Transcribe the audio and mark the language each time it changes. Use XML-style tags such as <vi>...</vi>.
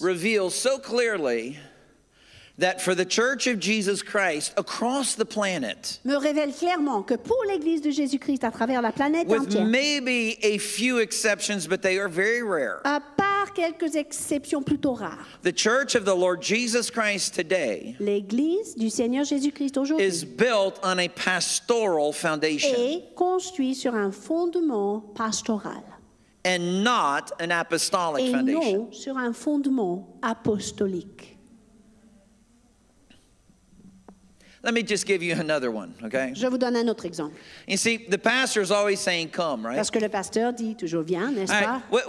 <en>reveals so clearly that for the Church of Jesus Christ across the planet,</en> <fr>me révèle clairement que pour l'Église de Jésus-Christ à travers la planète</fr> <en>with</en> <fr>entière,</fr> <en>maybe a few exceptions, but they are very rare.</en> <fr>Quelques exceptions plutôt rares.</fr> <en>The Church of the Lord Jesus Christ today</en> <fr>L'église du Seigneur Jésus-Christ aujourd'hui</fr> <en>is built on a pastoral foundation.</en> <fr>Est construit sur un fondement pastoral.</fr> <en>And not an apostolic</en> <fr>et</fr> <en>foundation.</en> <fr>Non sur un fondement apostolique.</fr> <en>Let me just give you another one, okay?</en> <fr>Je vous donne un autre exemple.</fr> <en>You see, the pastor is always saying come, right?</en> <fr>Parce que le pasteur dit toujours viens, n'est-ce pas?</fr>